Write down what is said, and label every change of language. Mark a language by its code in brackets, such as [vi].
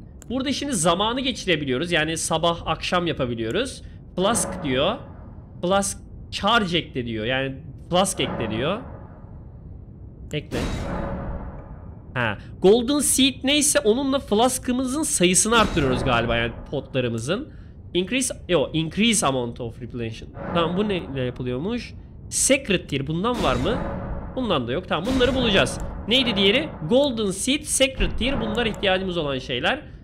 [tr] Burada şimdi zamanı geçirebiliyoruz. Yani sabah akşam yapabiliyoruz. Flask diyor. Flask charge ekle diyor. Yani flask ekle diyor. Ekle. Ha. Golden seed neyse onunla flaskımızın sayısını arttırıyoruz galiba. Yani potlarımızın. [en] Increase amount of replenishment. [tr] Tamam bu neyle yapılıyormuş? Sacred tier. Bundan var mı? Bundan da yok. Tamam bunları bulacağız. Neydi diğeri? Golden seed, sacred tier. Bunlar ihtiyacımız olan şeyler.